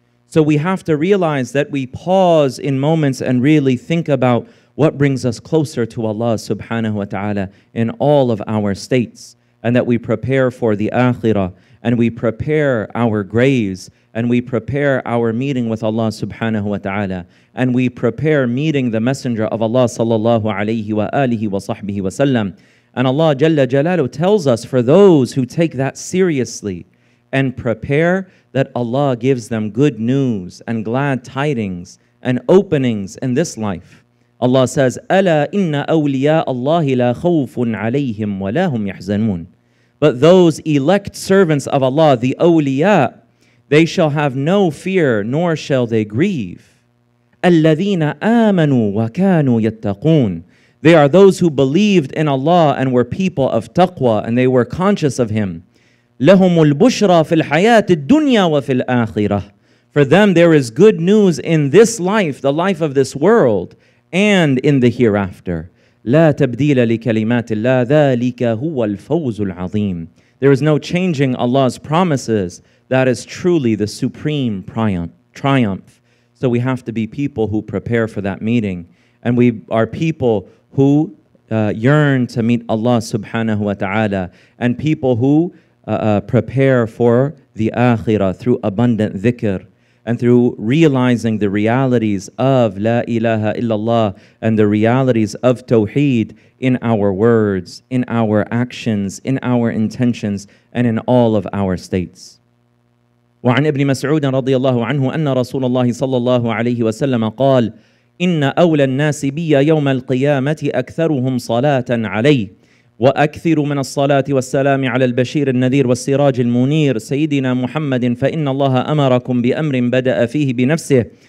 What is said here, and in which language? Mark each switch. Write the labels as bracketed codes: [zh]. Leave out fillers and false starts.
[en] So we have to realize that we pause in moments and really think about what brings us closer to Allah subhanahu wa ta'ala in all of our states, and that we prepare for the akhirah, and we prepare our graves, and we prepare our meeting with Allah subhanahu wa ta'ala, and we prepare meeting the Messenger of Allah sallallahu alayhi wa alihi wa sahbihi wa sallam. And Allah Jalla Jalalu tells us, for those who take that seriously and prepare, that Allah gives them good news and glad tidings and openings in this life. Allah says, [ar] أَلَا إِنَّ أَوْلِيَاءَ اللَّهِ لَا خَوْفٌ عَلَيْهِمْ وَلَا هُمْ يَحْزَنُونَ. [en] But those elect servants of Allah, the awliya, they shall have no fear, nor shall they grieve. [ar] الَّذِينَ آمَنُوا وَكَانُوا يَتَّقُونَ. [en] They are those who believed in Allah and were people of taqwa, and they were conscious of Him. [ar] لَهُمُ الْبُشْرَى فِي الْحَيَاةِ الدُّنْيَا وَفِي الْآخِرَةِ. [en] For them there is good news in this life, the life of this world, and in the hereafter. [ar] لا تبديل لكلمات الله ذلك هو الفوز العظيم. [en] There is no changing Allah's promises. That is truly the supreme triumph. So we have to be people who prepare for that meeting. And we are people who yearn to meet Allah subhanahu wa ta'ala. And people who prepare for the akhirah through abundant dhikr, and through realizing the realities of La ilaha illallah and the realities of Tawheed in our words, in our actions, in our intentions, and in all of our states. [ar] وعن ابن مسعود رضي الله عنه أن رسول الله صلى الله عليه وسلم قال إن أولى الناس بي يوم القيامة أكثرهم صلاة علي وأكثر من الصلاة والسلام على البشير النذير والسراج المنير سيدنا محمد فإن الله أمركم بأمر بدأ فيه بنفسه